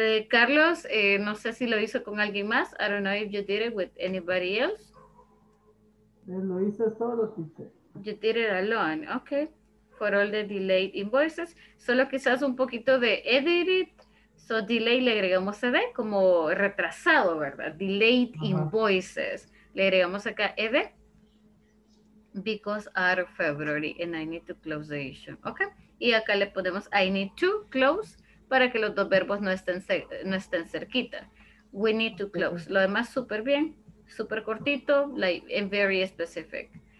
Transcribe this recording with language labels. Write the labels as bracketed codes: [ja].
[es] Carlos, no sé si lo hizo con alguien más. [en] I don't know if you did it with anybody else. [es] Lo hice solo, teacher. [en] You did it alone, okay. For all the delayed invoices. [es] Solo quizás un poquito de edit it. So delay le agregamos ed, como retrasado, ¿verdad? [en] Delayed invoices. [es] Le agregamos acá ed. [en] Because out of February and I need to close the issue, okay. [es] Y acá le ponemos [en] I need to close [es] para que los dos verbos no estén cerquita. [en] We need to close. [es] Lo demás súper bien. Super cortito, [en] like, and very specific.